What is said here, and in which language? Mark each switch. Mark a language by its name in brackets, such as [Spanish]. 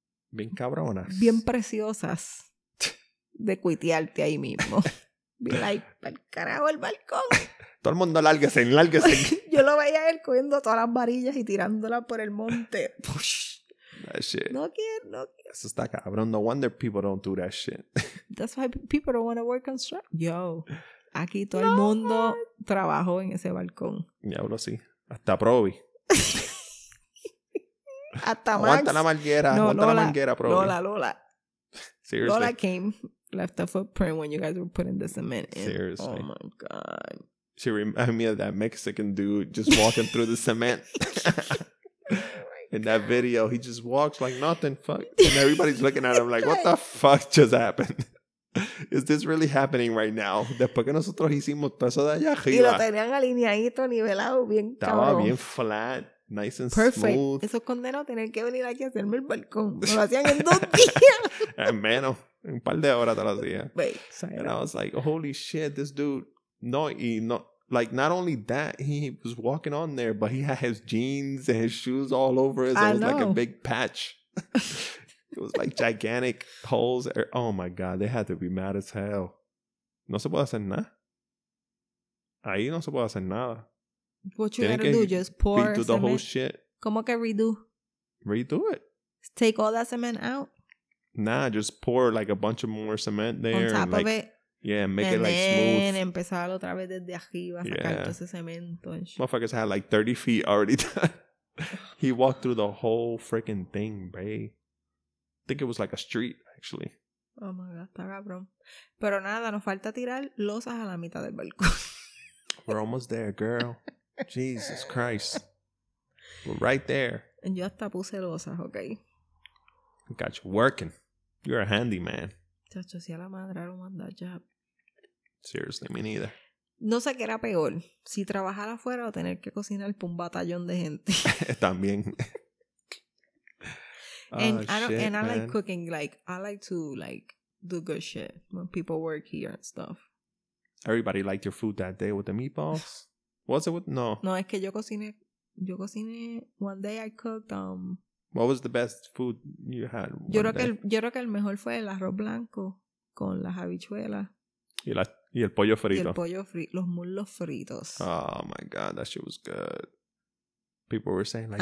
[Spanish] Bien cabronas. Bien preciosas de cuitearte ahí mismo. [English] Be like, [Spanish] ¡pal carajo el balcón! Todo el mundo, lárguese. Yo lo veía él cogiendo todas las varillas y tirándolas por el monte. [English] That shit. [Spanish] No quiero. Eso está cabrón. [English] No wonder people don't do that shit. That's why people don't want to work construction. [Spanish] Yo... Aquí todo el mundo trabajó en ese balcón. Diablo, sí. Hasta Probi. Hasta Max. Aguanta la manguera. No, aguanta Lola, la manguera, Probi. Lola. [English] Seriously. Lola came, left a footprint when you guys were putting the cement in. Seriously. Oh, my God. She reminded me of that Mexican dude just walking through the cement. In that video, he just walks like nothing. Fuck. And everybody's looking at him like, what the fuck just happened? Is this really happening right now? [Spanish] Después que nosotros hicimos todo eso de allá arriba. Y lo tenían alineadito, nivelado, bien estaba cabrón. Estaba bien [English] flat, nice and perfect. Smooth. [Spanish] Esos condenos tenían que venir aquí a hacerme el balcón. Me lo hacían en 2 días. En menos. Un par de horas te lo hacía. [English] Wait, and I was like, holy shit, this dude. [Spanish] No, y no. [English] Like, not only that, he was walking on there, but he had his jeans and his shoes all over his. I know. It was like a big patch. It was like gigantic holes. Oh my God, they had to be mad as hell. [Spanish] No se puede hacer nada. Ahí no se puede hacer nada. [English] What you [Spanish] tienen [English] gotta do, just pour redo cement. The whole shit. [Spanish] ¿Cómo que redo? [English] Redo it. Take all that cement out? Nah, just pour like a bunch of more cement there. On top like, of it. Yeah, make and it like smooth. [Spanish] Empezar otra vez desde arriba, sacar yeah. Todo ese cemento. [English] Motherfuckers had like 30 feet already done. He walked through the whole freaking thing, babe. I think it was like a street, actually. Oh my God, [Spanish] está cabrón. Pero nada, nos falta tirar losas a la mitad del balcón. [English] We're almost there, girl. Jesus Christ. We're right there. [Spanish] Yo hasta puse losas, okay. [English] Got you working. You're a handyman. [Spanish] Chacho, si a la madre no manda job. [English] Seriously, me neither. [Spanish] No sé qué era peor. Si trabajar afuera o tener que cocinar por un batallón de gente. También. [English] And I like cooking. Like I like to like do good shit when people work here and stuff. Everybody liked your food that day with the meatballs. Was it with no? [Spanish] Es que yo cociné. [English] One day I cooked. What was the best food you had? [Spanish] Yo creo que el mejor fue el arroz blanco con las habichuelas. Y el pollo frito. Y el pollo frito, los muslos fritos. [English] Oh my God, that shit was good. People were saying like,